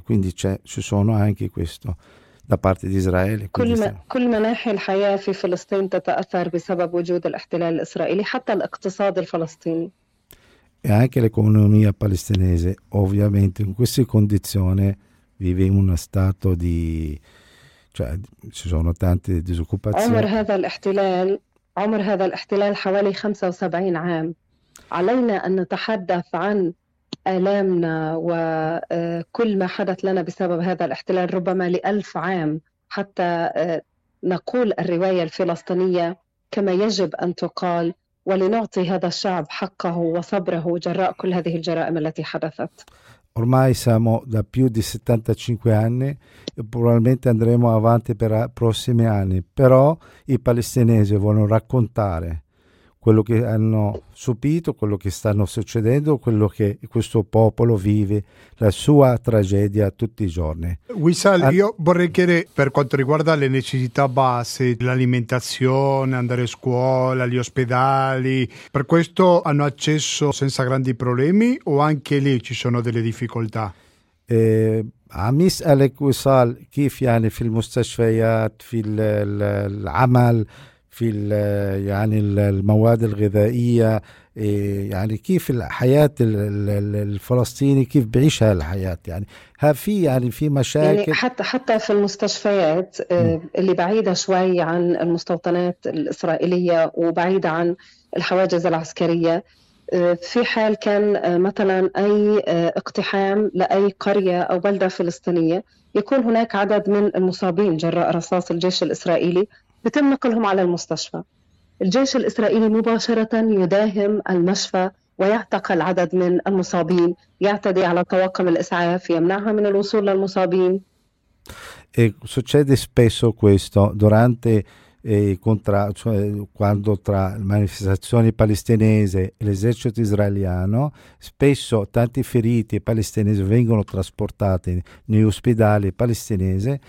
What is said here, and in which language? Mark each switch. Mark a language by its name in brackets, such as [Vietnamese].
[Italian] Quindi ci sono anche questo da parte di Israele. Quindi [Arabic] كل مناحي الحياة في فلسطين تتأثر بسبب وجود الاحتلال الإسرائيلي، حتى الاقتصاد الفلسطيني. [Italian] e anche l'economia palestinese, ovviamente, in queste condizioni vive in uno stato di, cioè, ci sono tante [Arabic] عمر [Italian] disoccupazioni. [Arabic] هذا الاحتلال، عمر هذا الاحتلال حوالي 75 عام. علينا أن نتحدث عن آلامنا وكل ما حدث لنا بسبب هذا الاحتلال ربما لألف عام، حتى نقول الرواية الفلسطينية كما يجب أن تقال، ولنعطي هذا الشعب حقه وصبره جراء كل هذه الجرائم التي حدثت. [Italian] Ormai siamo da più di 75 anni e probabilmente andremo avanti per i prossimi anni, però i palestinesi vogliono raccontare quello che hanno subito, quello che stanno succedendo, quello che questo popolo vive, la sua tragedia tutti i giorni. Wissal, io vorrei chiedere per quanto riguarda le necessità basse, l'alimentazione, andare a scuola, gli ospedali, per questo hanno accesso senza grandi problemi o anche lì ci sono delle difficoltà? [Arabic] عميس عليك وصال كيف يعني في المستشفيات في العمل في يعني المواد الغذائية يعني كيف الحياة الفلسطيني كيف بعيشها الحياة يعني ها في يعني في يعني مشاكل حتى في المستشفيات اللي بعيدة شوي عن المستوطنات الإسرائيلية وبعيدة عن الحواجز العسكرية، في حال كان مثلا أي اقتحام لأي قرية أو بلدة فلسطينية يكون هناك عدد من المصابين جراء رصاص الجيش الإسرائيلي، يتم نقلهم على المستشفى. الجيش الإسرائيلي مباشرة يداهم المشفى ويعتقل عدد من المصابين، يعتدي على طواقم الإسعاف، يمنعها من الوصول للمصابين. [Italian] E succede spesso questo durante cioè, quando tra manifestazioni palestinesi e l'esercito israeliano, spesso tanti feriti palestinesi vengono trasportati negli ospedali palestinesi.